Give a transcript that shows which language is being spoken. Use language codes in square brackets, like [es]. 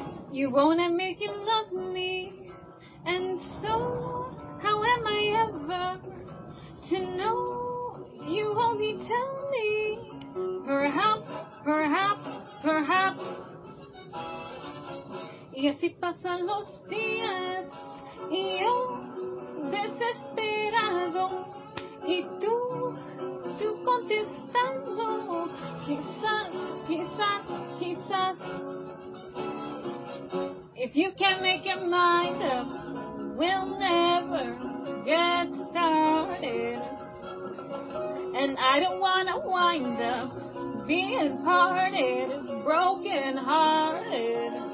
[en] You wanna make you love me, and so how am I ever to know? You only tell me, perhaps, perhaps, perhaps. [es] Y así pasan los días, y yo desesperado, y tú, tú contestando, quizás, quizás, quizás. [en] If you can't make your mind up, we'll never get started. And I don't wanna wind up being parted, broken hearted.